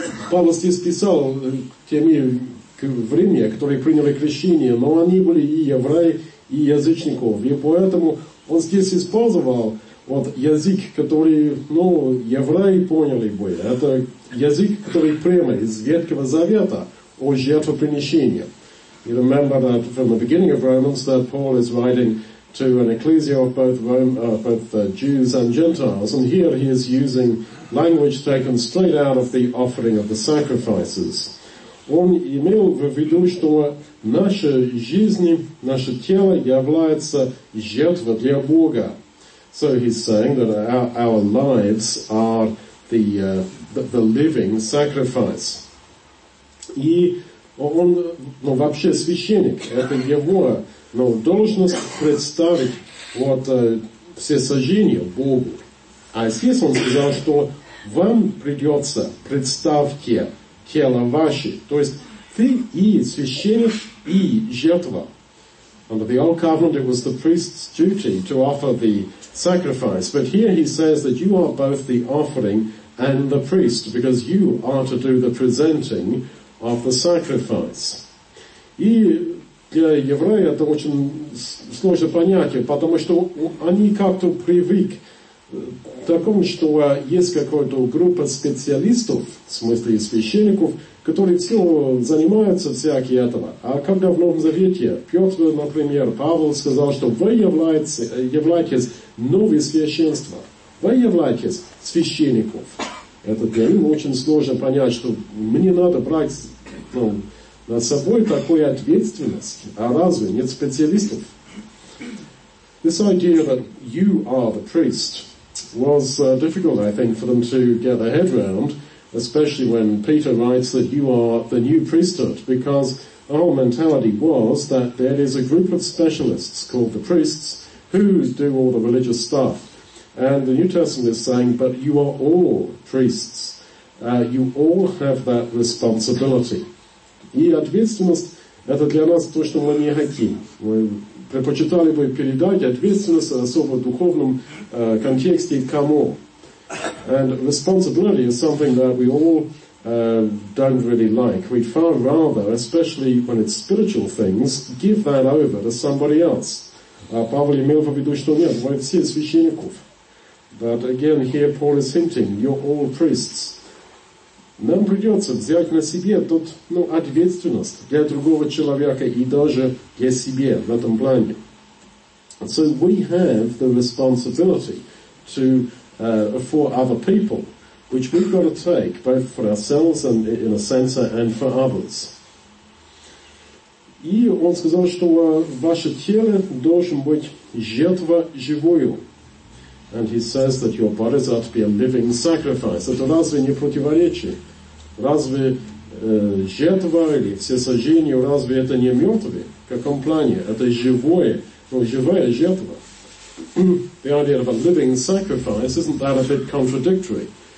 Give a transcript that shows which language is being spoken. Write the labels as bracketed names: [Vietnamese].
[Russian] Павел здесь писал теми в Риме, которые приняли крещение, но они были и евреи, и язычников. И поэтому он здесь использовал вот язык, который, ну, евреи поняли бы. Это язык, который прямо из Ветхого Завета о жертвопринесении. [English] You remember that from the beginning of Romans that Paul is writing to an ecclesia of both Rome, both Jews and Gentiles, and here he is using language taken straight out of the offering of the sacrifices. [Russian] Он имел в виду, что наша жизнь, наше тело является жертвой для Бога. [English] So he's saying that our lives are the living sacrifice. [Russian] И он, ну, вообще священник, это его, ну, должность представить вот все сожжения Богу. А здесь он сказал, что вам придется представьте тело ваше. То есть ты и священник, и жертва. [English] Under the old covenant, it was the priest's duty to offer the sacrifice. But here he says that you are both the offering and the priest, because you are to do the presenting of the sacrifice. [Russian] И для еврея это очень сложное понятие, потому что они как-то привык к такому, что есть какая-то группа специалистов, в смысле священников, которые все занимаются всякие этого. А когда в Новом Завете Петр, например, Павел сказал, что вы являетесь новым священством, вы являетесь священником. Это для них очень сложно понять, что мне надо брать, ну, на собой такую ответственность, а разве нет специалистов? [English] This idea that you are the priest was difficult, I think, for them to get their head around. Especially when Peter writes that you are the new priesthood, because the whole mentality was that there is a group of specialists called the priests who do all the religious stuff. And the New Testament is saying, but you are all priests. You all have that responsibility. [Russian] И ответственность — это для нас то, что мы не хотим. Мы предпочитали бы передать ответственность, особо в духовном контексте, кому? [English] And responsibility is something that we all don't really like. We'd far rather, especially when it's spiritual things, give that over to somebody else. [Russian] Павел имел в виду, что нет, вы все священников. [English] But again, here Paul is hinting, you're all priests. [Russian] Нам придется взять на себе тут, ну, ответственность для другого человека и даже для себя в этом плане. [English] And so we have the responsibility to for other people, which we've got to take both for ourselves and in a sense and for others. [Russian] И он сказал, что ваше тело должен быть жертва живую. [English] And he says that your bodies are to be a living sacrifice. [Russian] Это разве не противоречие? Разве жертва или все сожжения, разве это не мертвые? В каком плане? Это живое, ну, живая жертва. [English] The idea of a living sacrifice, isn't that a bit contradictory?